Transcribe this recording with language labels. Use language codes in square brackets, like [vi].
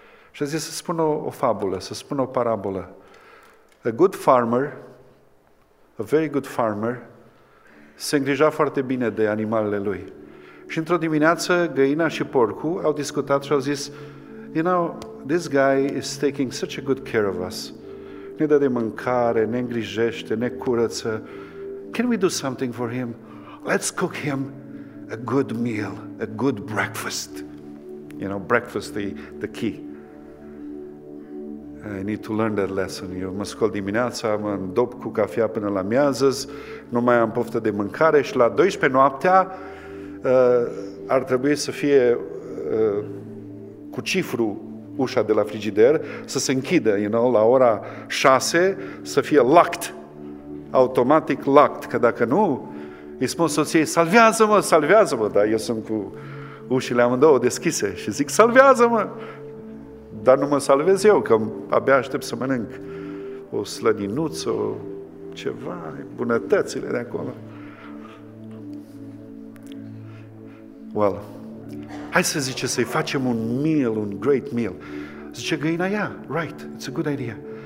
[ro] Și a zis, să spun o fabulă, să spun o parabolă. [en] A good farmer, a very good farmer, [ro] se îngrija foarte bine de animalele lui. Și într-o dimineață, găina și porcul au discutat și au zis, [en] you know, this guy is taking such a good care of us. [ro] Ne dă de mâncare, ne îngrijește, ne curăță. [en] Can we do something for him? Let's cook him a good meal, a good breakfast. You know, breakfast is the key. I need to learn that lesson. [ro] Eu mă scol dimineața, mă îndop cu cafea până la miază, nu mai am poftă de mâncare și la 12 noaptea ar trebui să fie cu cifru ușa de la frigider, să se închidă, [en] you know, [ro] la ora 6, să fie [en] locked, automatic locked, [ro] că dacă nu, îi spun soției, salvează-mă, salvează-mă, dar eu sunt cu ușile amândouă deschise și zic, salvează-mă, dar nu mă salvez eu, că abia aștept să mănânc o slăninuță, ceva, bunătățile de acolo. [en] Well, [ro] hai să zice să-i facem un meal, un [en] great meal. [ro] Zice găina, [en] yeah, right, it's a good idea.